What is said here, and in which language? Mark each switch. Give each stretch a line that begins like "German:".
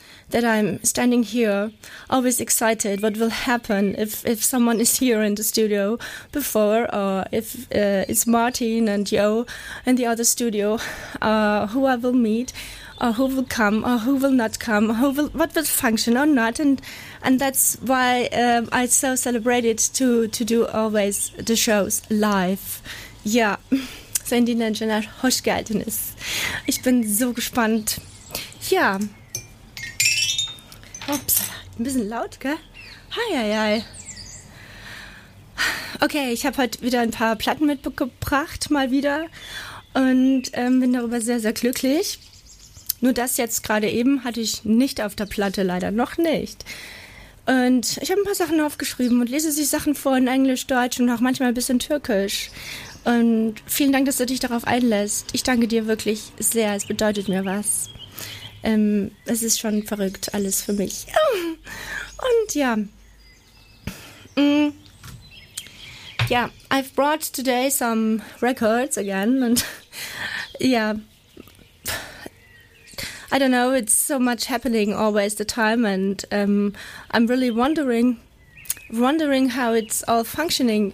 English: that I'm standing here, always excited what will happen if someone is here in the studio before, or if it's Martin and Joe in the other studio, who I will meet, or who will come, or who will not come, who will, what will function or not, and that's why I so celebrated to do always the shows live.
German: Ja, sind die Menschen hoch gehalten ist. Ich bin so gespannt. Ja. Ups, ein bisschen laut, gell? Hi. Okay, ich habe heute wieder ein paar Platten mitgebracht, mal wieder, und bin darüber sehr, sehr glücklich. Nur das jetzt gerade eben hatte ich nicht auf der Platte, leider noch nicht. Und ich habe ein paar Sachen aufgeschrieben und lese sich Sachen vor in Englisch, Deutsch und auch manchmal ein bisschen Türkisch. Und vielen Dank, dass du dich darauf einlässt. Ich danke dir wirklich sehr, es bedeutet mir was. Es ist schon verrückt, alles für mich. Und ja.
English: Ja, I've brought today some records again.
German: Und ja.
English: I don't know, it's so much happening always the time, and I'm really wondering how it's all functioning.